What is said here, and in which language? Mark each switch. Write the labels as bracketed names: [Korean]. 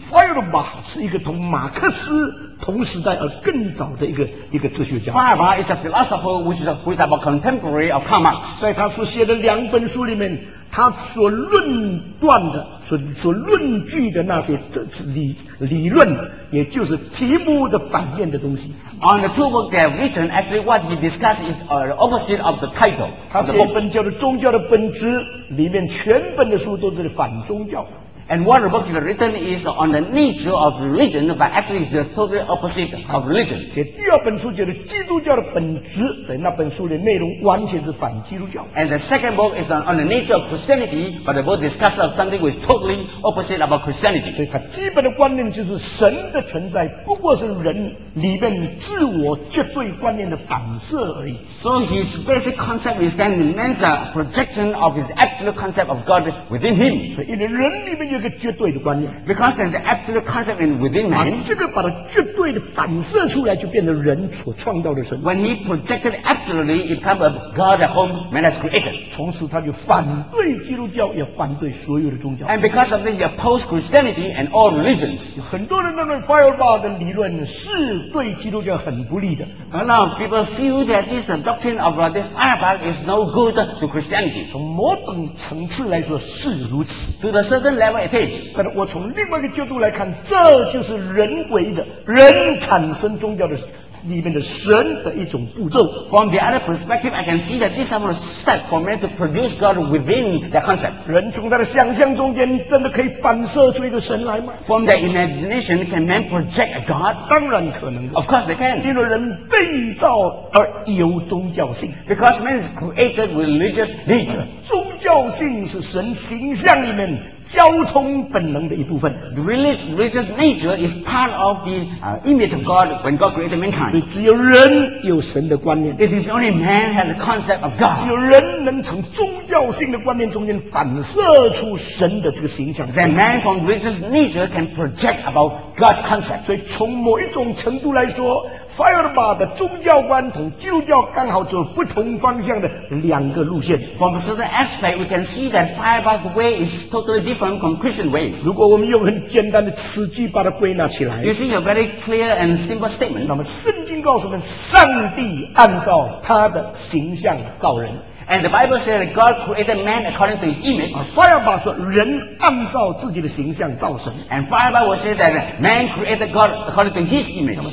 [Chinese] Feuerbach 是一个同马克思同时代而更早的一个哲学家 [English] Feuerbach is a philosopher who is about contemporary of Karl Marx [Chinese] 在他所写的两本书里面他所论断的 所论据的那些 理论也就是题目的反面的东西 [English] On the two books they have written actually what he discussed is the opposite of the title [Chinese] 他写本教的宗教的本质里面全本的书都是反宗教 [English] And what the book is written is on the nature of religion but actually is the totally opposite of religion [Chinese] 写第二本书就是基督教的本质在那本书的内容完全是反基督教 [English] And the second book is on the nature of Christianity but the book discusses something which is totally opposite about Christianity [Chinese] 所以它基本的观念就是神的存在不过是人里面自我绝对观念的反射而已 [English] So his basic concept is that man's projection of his absolute concept of God within him [Chinese] 所以人里面就个绝对的观念。 [English] Because there's the absolute concept in within man. [Chinese] 这个把它绝对的反射出来，就变成人所创造的神。 [English] When he projected absolutely, it becomes God at home, man has created. [Chinese] 从此他就反对基督教，也反对所有的宗教。 [English] And because of this, he opposed Christianity and all religions. [Chinese] 很多人认为 Feuerbach 的理论是对基督教很不利的。 [English] A lot of people feel that this doctrine of this Feuerbach is no good to Christianity. [Chinese] 从某种层次来说是如此。 [English] To the certain level it is. [Chinese] 但是我从另外一个角度来看，这就是人为的，人产生宗教的里面的神的一种步骤。 [English] From the other perspective, I can see that this is a step for man to produce God within the concept. [Chinese] 人从他的想象中间真的可以反射出一个神来吗？ [English] From the imagination, can man project a God? [Chinese] 当然可能的。 [English] Of course they can. [Chinese] 因为人被造而有宗教性。 [English] Because man is created with religious nature. [Chinese] 宗教性是神形象里面交通本能的一部分。 [English] Religious nature is part of the image of God when God created mankind. [Chinese] 只有人有神的观念。 [English] It is only man has the concept of God. [Chinese] 只有人能从宗教性的观念中间反射出神的这个形象。 [English] Then man from religious nature can project about God's concept. [Chinese] 所以从某一种程度来说，Feuerbach 的宗教观同基督教刚好走不同方向的两个路线。 [English] From a certain aspect, we can see that Feuerbach's way is totally different from Christian way. [Chinese] 如果我们用很简单的词句把它归纳起来 [English] ，You see a very clear and simple statement. [Chinese] 那么圣经告诉我们，上帝按照他的形象造人。 [English] And the Bible says that God created man according to his image. [Chinese] Feuerbach 说人按照自己的形象造神。 [English] And Feuerbach will say that man created God according to his image.